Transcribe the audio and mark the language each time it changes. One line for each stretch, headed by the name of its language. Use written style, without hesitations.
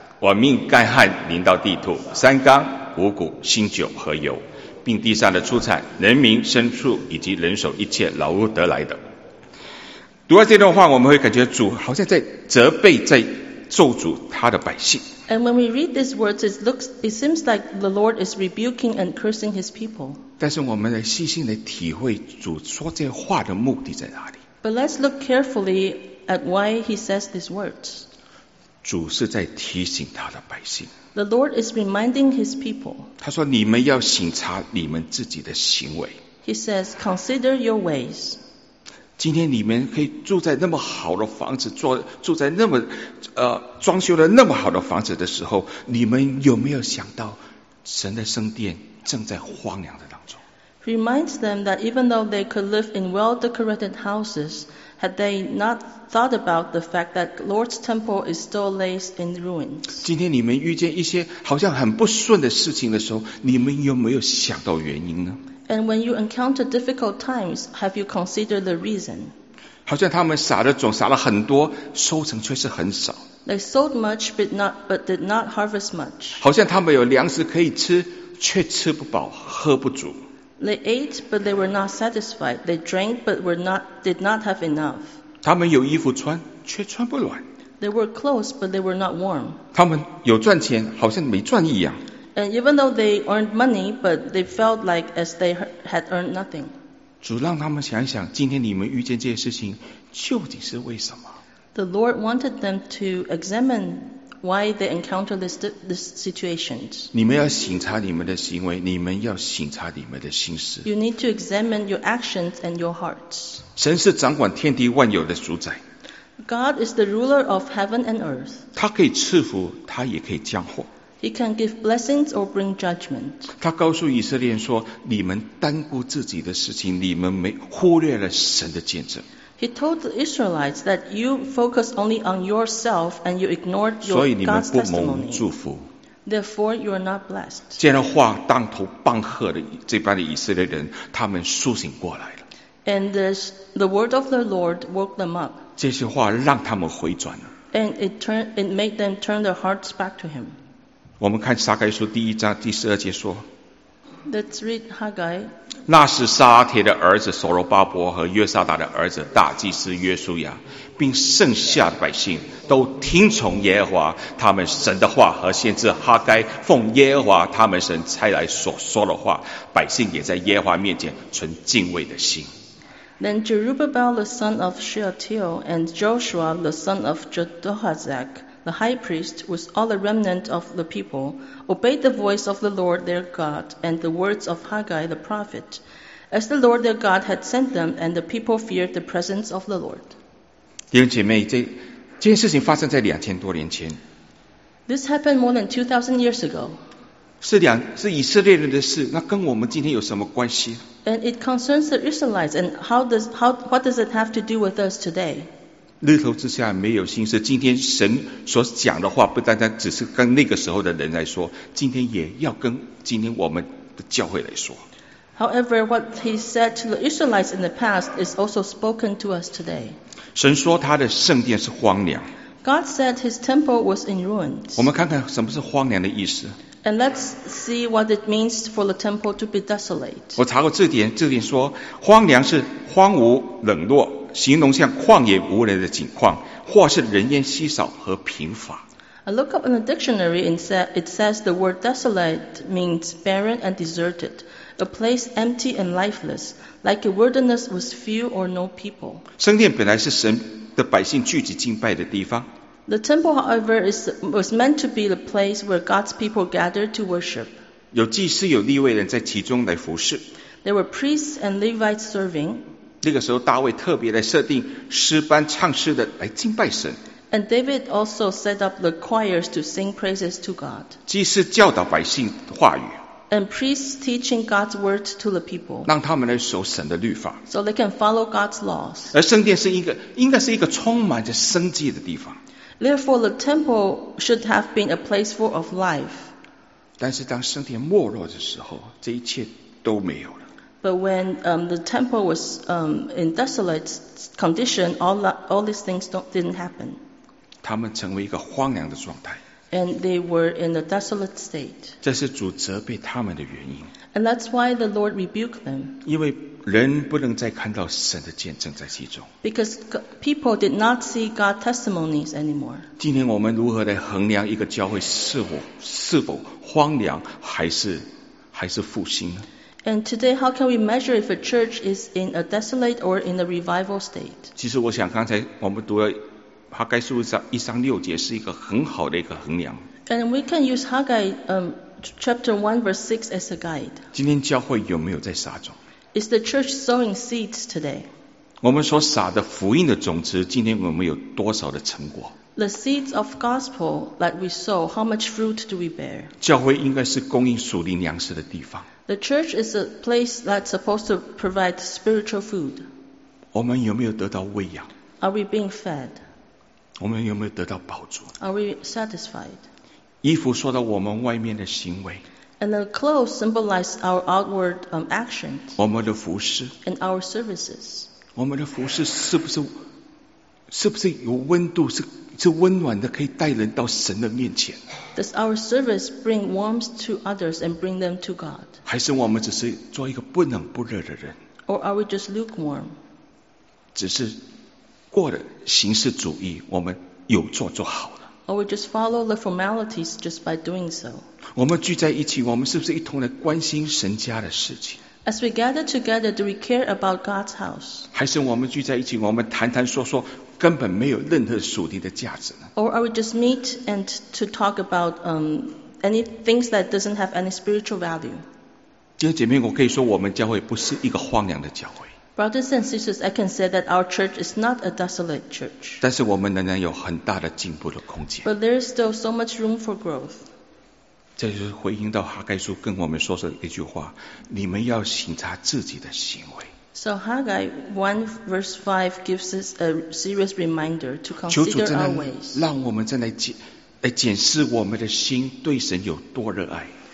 Chinese: 我命干旱临到地土，山冈。五谷、新酒和油，并地上的出产、人民、牲畜以及人手一切劳碌得来的。读了这段话，我们会感觉主好像在责备、在咒诅他的百姓。
English: And when we read these words, it seems like the Lord is rebuking and cursing his people.
Chinese: 但是我们来细心来体会主说这话的目的在哪里。
English: But let's look carefully at why he says these words.
Chinese: 主是在提醒他的百姓。
English: The Lord is reminding his people.
Chinese: 他说你们要省察你们自己的行为。
English: He says, consider your ways.
Chinese: 今天你们可以住在那么好的房子，住在那么装修的那么好的房子的时候，你们有没有想到神的圣殿正在荒凉的当中？
English: Reminds them that even though they could live in well-decorated houses, had they not thought about the fact that Lord's temple is still laid in ruins.
Chinese: 今天你们遇见一些好像很不顺的事情的时候，你们有没有想到原因呢？
English: And when you encounter difficult times, have you considered the reason?
Chinese: 好像他们撒的种撒了很多，收成却是很少。
English: They sowed much, but did not harvest much.
Chinese: 好像他们有粮食可以吃，却吃不饱，喝不足。
English: They ate, but they were not satisfied. They drank, but did not have enough.
Chinese: 他们有衣服穿，却穿不暖。
English: They were clothes, but they were not warm.
Chinese: 他们有赚钱，好像没赚一样。
English: And even though they earned money, but they felt like as they had earned nothing.
Chinese: 主让他们想一想，今天你们遇见这些事情，究竟是为什么？
English: The Lord wanted them to examine why they encounter this situations.
Chinese: 你们要省察你们的行为，你们要省察你们的心思。
English: You need to examine your actions and your hearts.
Chinese: 神是掌管天地万有的主宰。
English: God is the ruler of heaven and earth.
Chinese: 他可以赐福，他也可以降祸。
English: He can give blessings or bring judgment.
Chinese: 他告诉以色列人说，你们单顾自己的事情，你们没忽略了神的见证。
English: He told the Israelites that you focus only on yourself and you ignored your God's testimony.
Chinese: 所以你们不蒙祝福。
English: Therefore, you are not blessed.
Chinese: 见了话当头棒喝的这般的以色列人，他们苏醒过来了。
English: And the word of the Lord woke them up.
Chinese: 这些话让他们回转了。
English: And it made them turn their hearts back to him.
Chinese: 我们看撒该书第一章第十二节说。
English: Let's read Haggai.
Chinese: 那是沙铁的儿子所罗巴伯和约沙达的儿子大祭司约书亚，并剩下的百姓都听从耶和华他们神的话和先知哈该奉耶和华他们神差来所说的话，百姓也在耶和华面前存敬畏的心。
English: Then Jerubbabel the son of Shealtiel and Joshua the son of Jehozadak the high priest with all the remnant of the people obeyed the voice of the Lord their God and the words of Haggai the prophet, as the Lord their God had sent them, and the people feared the presence of the Lord.
Chinese: 弟兄姐妹，这件事情发生在2000多年前。
English: This happened more than 2,000 years ago.
Chinese: 是以色列人的事，那跟我们今天有什么关系？
English: And it concerns the Israelites, and what does it have to do with us today?
Chinese: 日头之下没有心思，今天神所讲的话不单单只是跟那个时候的人来说，今天也要跟今天我们的教会来说。
English: However, what he said to the Israelites in the past is also spoken to us today.
Chinese: 神说他的圣殿是荒凉。
English: God said his temple was in ruins.
Chinese: 我们看看什么是荒凉的意思。
English: And let's see what it means for the temple to be desolate.
Chinese: 我查过字典，字典说荒凉是荒芜、冷落，形容像旷野无人的景况，或是人烟稀少和贫乏。
English: I look up in the dictionary and it says the word desolate means barren and deserted, a place empty and lifeless, like a wilderness with few or no people.
Chinese: 圣殿本来是神的百姓聚集敬拜的地方。
English: The temple, however, was meant to be the place where God's people gathered to worship.
Chinese: 有祭司、有利未人在其中来服侍。
English: There were priests and Levites serving.
Chinese: 那个时候，大卫特别来设定诗班唱诗的来敬拜神。
English: And David also set up the choirs to sing praises to God.
Chinese: 祭司教导百姓话语。
English: And priests teaching God's word to the people.
Chinese: 让他们来守神的律法。
English: So they can follow God's laws.
Chinese: 而圣殿是一个，应该是一个充满着生机的地方。
English: Therefore, the temple should have been a place full of life.
Chinese: 但是当圣殿没落的时候，这一切都没有了。
English: But when the temple was in desolate condition, all these things didn't happen.
Chinese: 他们成为一个荒凉的状态。
English: And they were in a desolate state.
Chinese: 这是主责备他们的原因。
English: And that's why the Lord rebuked them.
Chinese: 因为人不能再看到神的见证在其中。
English: Because people did not see God's testimonies anymore.
Chinese: 今天我们如何来衡量一个教会是否荒凉还是复兴呢？
English: And today, how can we measure if a church is in a desolate or in a revival state?
Chinese: 其实我想刚才我们读了哈该书一章六节是一个很好的一个衡量。
English: And we can use Haggai chapter 1 verse 6 as a guide.
Chinese: 今天教会有没有在撒种？
English: Is the church sowing seeds today?
Chinese: 我们所撒的福音的种子，今天我们有多少的成果？
English: The seeds of gospel that we sow, how much fruit do we bear?
Chinese: 教会应该是供应属灵粮食的地方。
English: The church is a place that's supposed to provide spiritual food.
Chinese: 我们有没有得到喂养？
English: Are we being fed?
Chinese: 我们有没有得到饱足？
English: Are we satisfied?
Chinese: 衣服说到我们外面的行为。
English: And the clothes symbolize our outward actions.
Chinese: 我们的服事。
English: And our services.
Chinese: 我们的服事是不是有温度，是温暖的，可以带人到神的面前。
English: Does our service bring warmth to others and bring them to God?
Chinese: 还是我们只是做一个不冷不热的人？
English: Or are we just lukewarm?
Chinese: 只是过了形式主义，我们有做就好了。
English: Or we just follow the formalities just by doing so.
Chinese: 我们聚在一起，我们是不是一同来关心神家的事情？
English: As we gather together, do we care about God's house?
Chinese: 还是我们聚在一起，我们谈谈说说，根本没有任何属灵的价值呢？
English: Or are we just meet and to talk about any things that doesn't have any spiritual value?
Chinese: 弟兄姐妹，我可以说我们教会不是一个荒凉的教会。
English: Brothers and sisters, I can say that our church is not a desolate church.
Chinese: 但是我们仍然有很大的进步的空间。
English: But there is still so much room for growth.
Chinese: 这就是回应到哈该书跟我们说的一句话：你们要省察自己的行为。
English: So Haggai 1 verse 5 gives us a serious reminder to consider our ways.
Chinese: 求主真的让我们再来检视我们的心对神有多热爱。